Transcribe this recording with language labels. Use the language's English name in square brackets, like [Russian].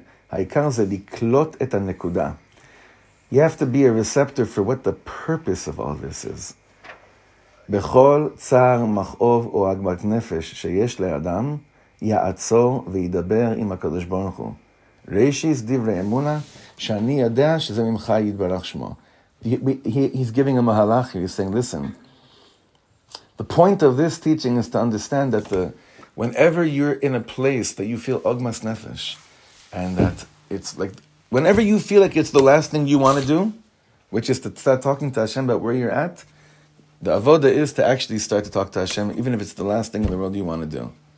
[Hebrew] העיקר זה לקלוט את הנקודה. [English] You have to be a receptor for what the purpose of all this is. [Hebrew] בכל צער, מחאוב או עגמת נפש שיש לאדם, יעצור וידבר עם הקדוש ברוך הוא. ראשיס דברי אמונה, שאני יודע שזה ממך יתברך שמו. [English] He's giving a mahalach here, he's saying, listen, the point of this teaching is to understand that whenever you're in a place that you feel ogmas nefesh, and that it's like, whenever you feel like it's the last thing you want to do, which is to start talking to Hashem about where you're at, the avoda is to actually start to talk to Hashem, even if it's the last thing in the world you want to do.